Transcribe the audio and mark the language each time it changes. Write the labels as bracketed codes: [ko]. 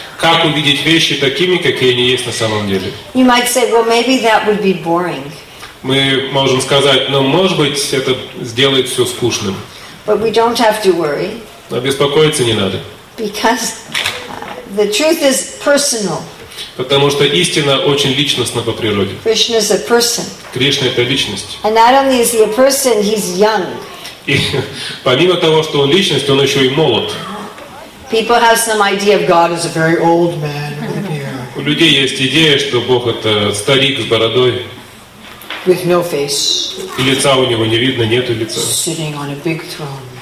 [ru] Как увидеть вещи такими, какие они есть на самом деле. [en] You might say, well, maybe that would be boring. [ru] Мы можем сказать, ну, может быть, это сделает все скучным. [en] But we don't have to worry. [ru] Но беспокоиться не надо. [en] Because the truth is personal. [ru] Потому что истина очень личностна по природе. [en] Krishna is a person. [ru] Кришна — это личность. [en] And not only is he a person, he's young. [ru] И помимо того, что он личность, он еще и молод. [en] People have some idea of God as a very old man. [ru] У людей есть идея, что Бог — это старик с бородой. [en] With no face. [ru] И лица у него не видно, нету лица. [en] Sitting on a big throne.